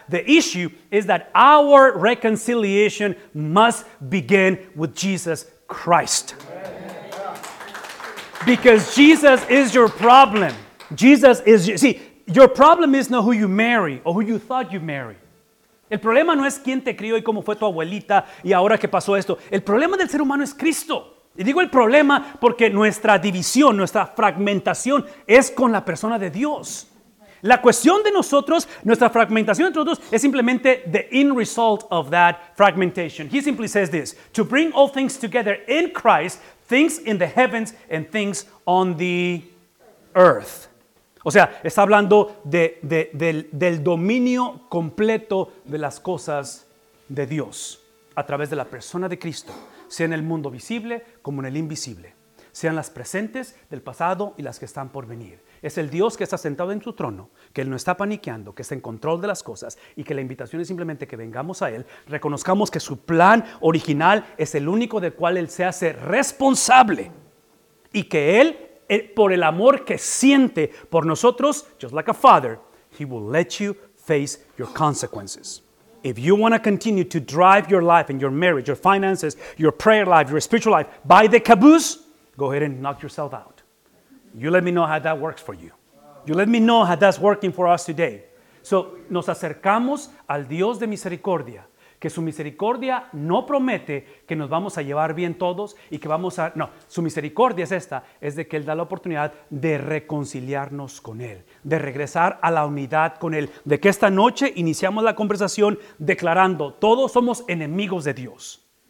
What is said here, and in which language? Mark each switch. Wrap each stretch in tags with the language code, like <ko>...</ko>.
<en>The issue is that our reconciliation must begin with Jesus Christ. Because Jesus is your problem. Jesus is, see, your problem is not who you marry or who you thought you married.</en> <es>El problema no es quién te crió y cómo fue tu abuelita y ahora qué pasó esto. El problema del ser humano es Cristo. Y digo el problema porque nuestra división, nuestra fragmentación es con la persona de Dios. La cuestión de nosotros, nuestra fragmentación entre nosotros, es simplemente</es> <en>the end result of that fragmentation. He simply says this, to bring all things together in Christ, things in the heavens and things on the earth.</en> <es>O sea, está hablando del dominio completo de las cosas de Dios a través de la persona de Cristo. Sea en el mundo visible como en el invisible. Sean las presentes del pasado y las que están por venir. Es el Dios que está sentado en su trono, que Él no está paniqueando, que está en control de las cosas y que la invitación es simplemente que vengamos a Él, reconozcamos que su plan original es el único del cual Él se hace responsable y que Él, por el amor que siente por nosotros,</es> <en>just like a father, He will let you face your consequences. If you want to continue to drive your life and your marriage, your finances, your prayer life, your spiritual life by the caboose, go ahead and knock yourself out. You let me know how that works for you. You let me know how that's working for us today.</en> <es>So, nos acercamos al Dios de misericordia, que su misericordia no promete que nos vamos a llevar bien todos y que vamos a... No, su misericordia es esta, es de que Él da la oportunidad de reconciliarnos con Él, de regresar a la unidad con Él, de que esta noche iniciamos la conversación declarando todos somos enemigos de Dios.</es>